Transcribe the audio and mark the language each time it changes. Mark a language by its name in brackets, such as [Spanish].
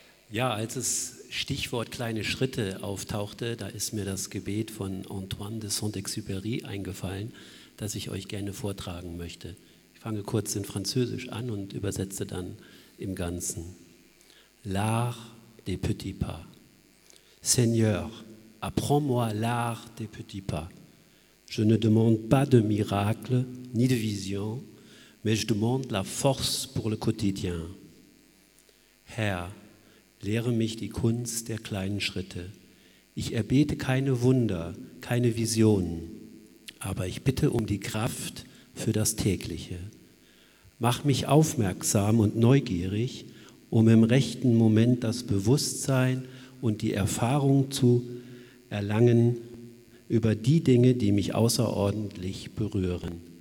[German] Ja, als es Stichwort kleine Schritte auftauchte, da ist mir das Gebet von Antoine de Saint-Exupéry eingefallen, das ich euch gerne vortragen möchte. Ich fange kurz in Französisch an und übersetze dann im Ganzen. [French] L'art des petits pas. Seigneur, apprends-moi l'art des petits pas. Je ne demande pas de miracle ni de vision, mais je demande la force pour le quotidien. [German] Herr, lehre mich die Kunst der kleinen Schritte. Ich erbete keine Wunder, keine Visionen, aber ich bitte um die Kraft für das Tägliche. Mach mich aufmerksam und neugierig, um im rechten Moment das Bewusstsein und die Erfahrung zu erlangen über die Dinge, die mich außerordentlich berühren.